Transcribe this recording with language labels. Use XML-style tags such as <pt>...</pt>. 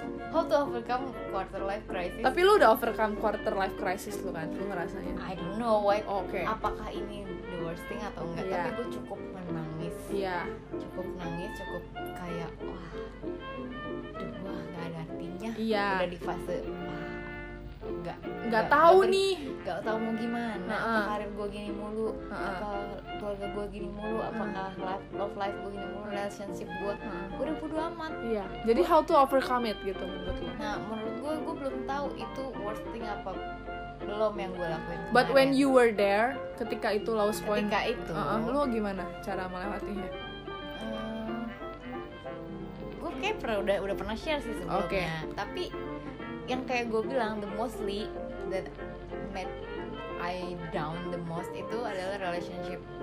<en>How to overcome quarter life crisis?</en> <id>Tapi lu udah</id> <en>overcome quarter life crisis</en> <id>lu kan? Lu ngerasanya?</id> <en>I don't know why. Okay.</en> <id>Apakah ini</id> <en>the worst thing</en> <id>atau enggak?</id> <en>Yeah.</en> <id>Tapi gua cukup menangis.</id> <en>Yeah.</en> <id>Cukup nangis, cukup kayak wah, aduh, wah gak ada artinya.</id> <en>Yeah.</en> <id>Udah di fase wah. Gak tahu nih. Gak tahu mau gimana. Karir gue gini mulu. Keluarga gue gini mulu. Apakah love life gue gini mulu. Relationship gue. Gue udah bodo amat. Iya. Jadi</id> <en>how to overcome it</en> <id>gitu menurut lo. Nah menurut gue belum tahu itu</id> <en>worst thing</en> <id>apa belum yang gue lakuin kemarin.</id> <en>But when you were there,</en> <id>ketika itu</id> <en>lowest point,</en> <id>ketika itu lo gimana cara melewatinya? Gue kayak udah pernah share sih sebelumnya. Okay. Tapi yang kayak gue bilang,</id> <en>the mostly that made I down the most</en> <id>itu adalah</id> <en>relationship.</en>